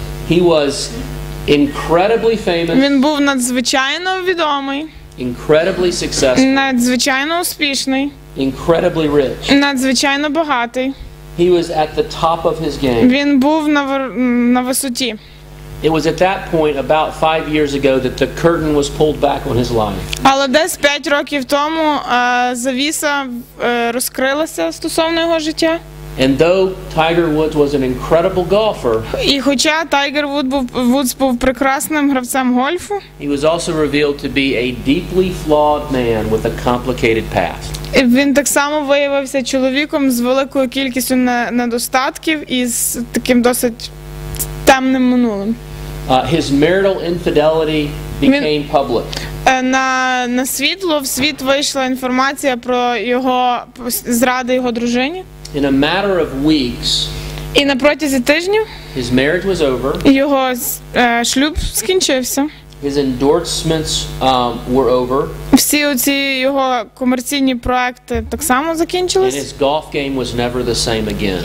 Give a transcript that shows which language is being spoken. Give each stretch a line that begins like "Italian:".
English: He was incredibly famous.
Ukrainian: Він був надзвичайно відомий.
English: Incredibly successful.
Ukrainian: Надзвичайно успішний.
English: Incredibly rich.
Ukrainian: Надзвичайно багатий.
English: He was at the top of his game.
Ukrainian: Він був на висоті.
English: It was at that point about 5 years ago that the curtain was pulled back on his life.
Ukrainian: Але десь 5 років тому завіса розкрилася стосовно його життя.
English: And though Tiger Woods was an incredible golfer,
Ukrainian: і хоча Tiger Woods був прекрасним гравцем гольфу,
English: he was also revealed to be a deeply flawed man with a complicated past.
Ukrainian: Він так само виявився чоловіком з великою кількістю недостатків і з таким досить темним минулим.
English: His marital infidelity became public.
Ukrainian: На світло, в світ вийшла інформація про його зради його дружині.
English: In a matter of weeks,
Ukrainian: і на протязі тижнів,
English: his marriage was over,
Ukrainian: його шлюб скінчився,
English: his endorsements were over,
Ukrainian: всі оці його комерційні проекти так само закінчились,
English: and his golf game was never the same again.